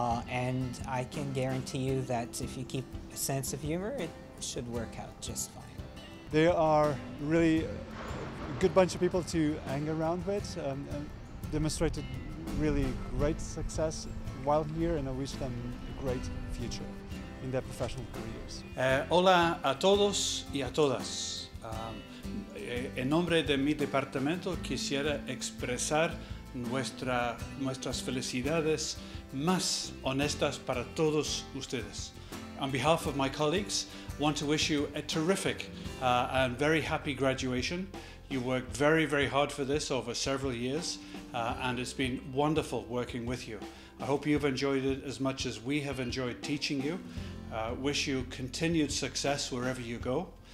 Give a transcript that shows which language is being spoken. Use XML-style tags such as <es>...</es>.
<en>And I can guarantee you that if you keep a sense of humor, it should work out just fine. They are really a good bunch of people to hang around with, and demonstrated really great success while here, and I wish them a great future in their professional careers.</en> <es>Hola a todos y a todas. En nombre de mi departamento quisiera expresar nuestras felicidades más honestas para todos ustedes.</es> <en>On behalf of my colleagues, I want to wish you a terrific and very happy graduation. You worked very, very hard for this over several years, and it's been wonderful working with you. I hope you've enjoyed it as much as we have enjoyed teaching you. Wish you continued success wherever you go.</en>